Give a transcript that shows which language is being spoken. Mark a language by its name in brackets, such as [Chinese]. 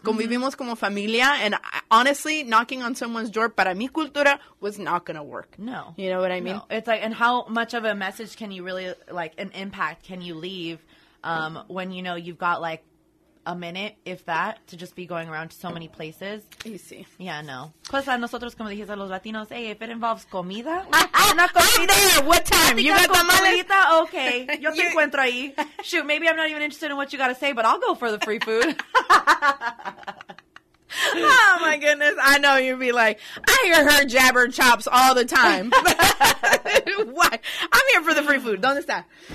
[Spanish] Convivimos como familia. [English] And honestly, knocking on someone's door, [Spanish] para mi cultura, [English] was not going to work. No. You know what I mean? No. It's like, and how much of a message can you really, like, an impact can you leave when, you know, you've got, like, a minute, if that, to just be going around to so many places. Easy. Yeah, no. Plus, [Spanish] a nosotros, como dijiste a los Latinos, [English] hey, if it involves [Spanish] comida. [English] What time? You got tamales? Okay. [Spanish] Yo te encuentro ahí. [English] Shoot, maybe I'm not even interested in what you got to say, but I'll go for the free food. Oh, my goodness. I know you'd be like, I hear her jabber chops all the time. Why? I'm here for the free food. Don't stop.